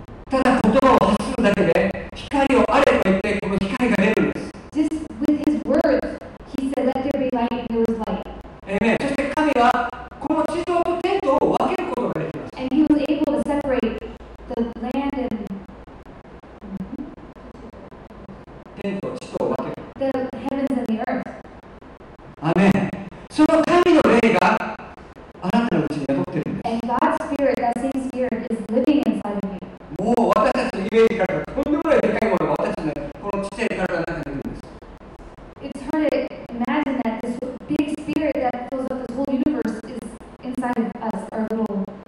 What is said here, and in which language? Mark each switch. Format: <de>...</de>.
<ja>ただ言葉を発するだけで光をあれと言ってこの光が出るんです</ja> <en>Just with his words he said let there be light and there was light</en> <ja>アメンそして神はこの地上と天とを</ja> <en>And he was able to separate the land and the heavens and the earth. Amen.</en> <ja>その神の霊があなたのうちに宿ってるんです。</ja> <en>And God's spirit, that same spirit, is living inside of you.</en> <ja>もう私たちのイメージからとんでもないでかいものが私たちのこの地底体の中にいるんです。</ja> <en>It's hard to imagine that this big spirit that fills up this whole universe is inside of us, our little.</en>